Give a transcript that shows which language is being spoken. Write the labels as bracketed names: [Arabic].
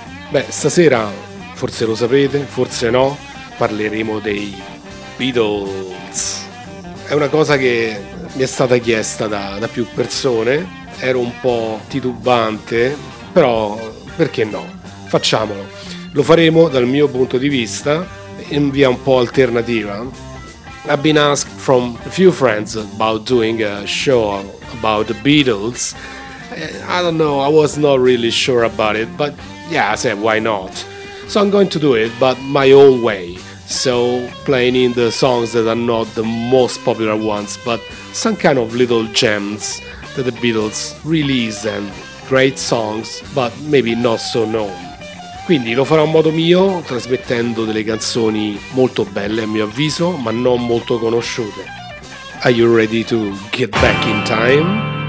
[Italian] Beh, stasera, forse lo sapete, forse no, parleremo dei Beatles. È una cosa che mi è stata chiesta da più persone, ero un po' titubante, però perché no? Facciamolo. Lo faremo dal mio punto di vista in via un po' alternativa. [English] I've been asked from a few friends about doing a show about the Beatles. I don't know, I was not really sure about it, but yeah, I said why not? So I'm going to do it, but my own way. So playing in the songs that are not the most popular ones, but some kind of little gems that the Beatles released, and great songs, but maybe not so known. [Italian] Quindi lo farò a modo mio, trasmettendo delle canzoni molto belle a mio avviso, ma non molto conosciute. [English] Are you ready to get back in time?